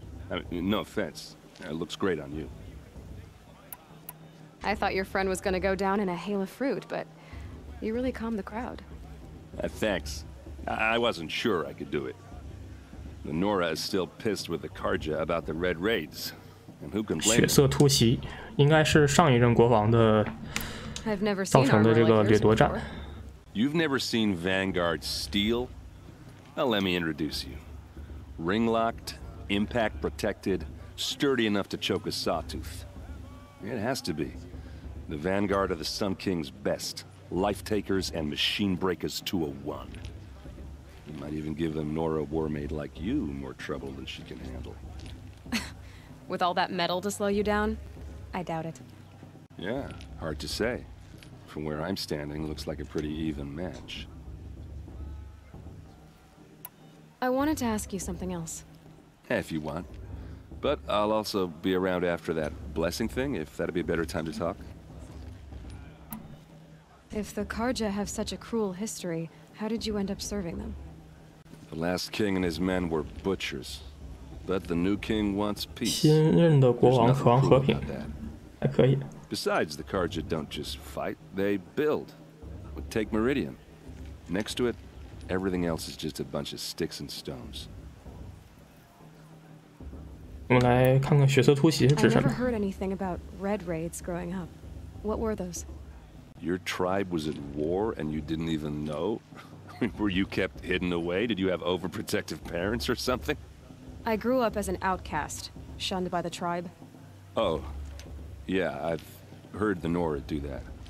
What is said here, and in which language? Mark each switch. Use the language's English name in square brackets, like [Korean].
[English] I mean, no offense, it looks great on you. I thought your friend was going to go down in a hail of fruit, but you really calmed the crowd. Thanks. I wasn't sure I could do it. The Nora is still pissed with the Karja about the red raids. And who can blame her? [Chinese] 血色突袭应该是上一任国王的造成的这个掠夺战。 [English] You've never seen Vanguard steel? Well, let me introduce you. Ring locked, impact protected, sturdy enough to choke a sawtooth. It has to be. The Vanguard are the Sun King's best. Life takers and machine breakers to a one. You might even give a Nora warmaid like you more trouble than she can handle. With all that metal to slow you down? I doubt it. Yeah, hard to say. From where I'm standing, looks like a pretty even match. I wanted to ask you something else. If you want. But I'll also be around after that blessing thing, if that'd be a better time to talk. If the Karja have such a cruel history, how did you end up serving them? The last king and his men were butchers. But the new king wants peace. [Chinese] 新任的国王渴望和平，还可以。 [English] Besides, the Karja don't just fight, they build. We take Meridian. Next to it, everything else is just a bunch of sticks and stones. [Chinese] 我们来看看血色突袭是指什么。 [English] I never heard anything about red raids growing up. What were those? Your tribe was at war and you didn't even know? Were you kept hidden away? Did you have overprotective parents or something? I grew up as an outcast, shunned by the tribe. Oh, yeah, I've heard the Nora do that.